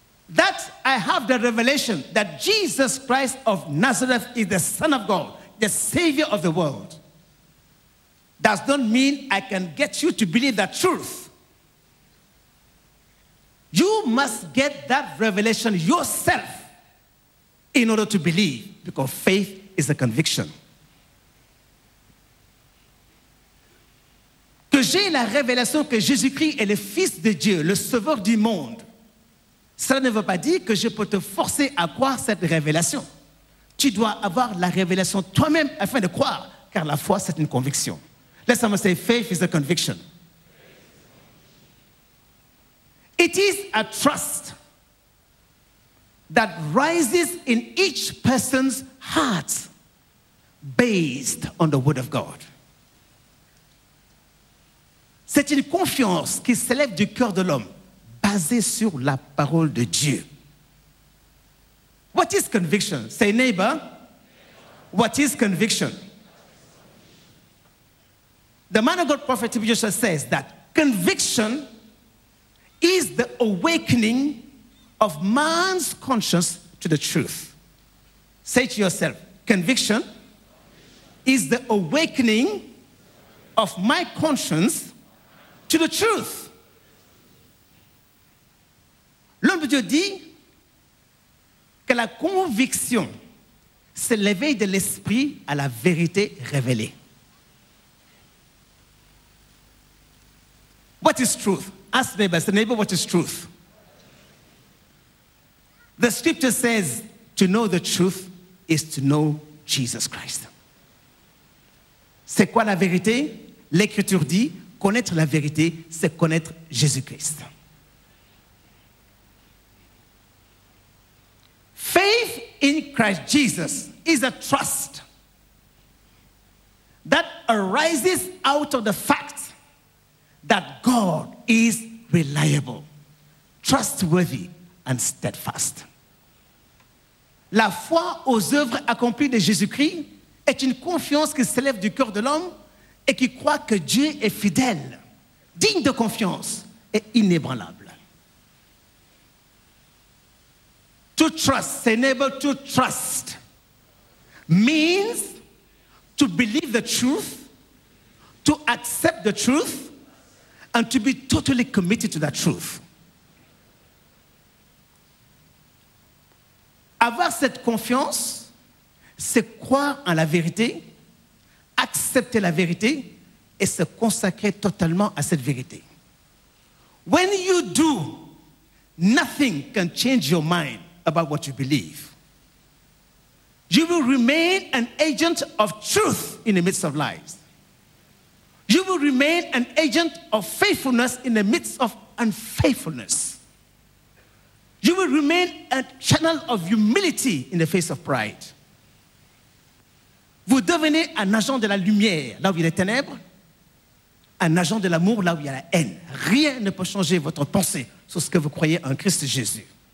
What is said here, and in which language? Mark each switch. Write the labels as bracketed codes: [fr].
[en] That I have the revelation that Jesus Christ of Nazareth is the Son of God, the Savior of the world, does not mean I can get you to believe that truth. You must get that revelation yourself in order to believe, because faith is a conviction. [fr] Que j'ai la révélation que Jésus-Christ est le Fils de Dieu, le Sauveur du monde, cela ne veut pas dire que je peux te forcer à croire cette révélation. Tu dois avoir la révélation toi-même afin de croire, car la foi, c'est une conviction. [en] Let someone say, faith is a conviction. It is a trust that rises in each person's heart based on the Word of God. [fr] C'est une confiance qui s'élève du cœur de l'homme basée sur la parole de Dieu. [en] What is conviction? Say, neighbor, what is conviction? The man of God, Prophet T.B. Joshua, says that conviction is the awakening of man's conscience to the truth. Say to yourself, conviction is the awakening of my conscience to the truth. [fr] L'homme de Dieu dit que la conviction, c'est l'éveil de l'esprit à la vérité révélée. [en] What is truth? Ask neighbor. Say, neighbor, what is truth? The scripture says to know the truth is to know Jesus Christ. [fr] C'est quoi la vérité? L'écriture dit, connaître la vérité, c'est connaître Jésus-Christ. [en] Faith in Christ Jesus is a trust that arises out of the fact that God is reliable, trustworthy, and steadfast. [fr] La foi aux œuvres accomplies de Jésus-Christ est une confiance qui s'élève du cœur de l'homme et qui croit que Dieu est fidèle, digne de confiance et inébranlable. [en] To trust, say neighbor, to trust means to believe the truth, to accept the truth, and to be totally committed to that truth. [fr] Avoir cette confiance, c'est croire en la vérité, accepter la vérité et se consacrer totalement à cette vérité. [en] When you do, nothing can change your mind about what you believe. You will remain an agent of truth in the midst of lies. You will remain an agent of faithfulness in the midst of unfaithfulness. You will remain a channel of humility in the face of pride. [fr] Vous devenez un agent de la lumière là où il y a les ténèbres, un agent de l'amour là où il y a la haine. Rien ne peut changer votre pensée sur ce que vous croyez en Christ Jésus.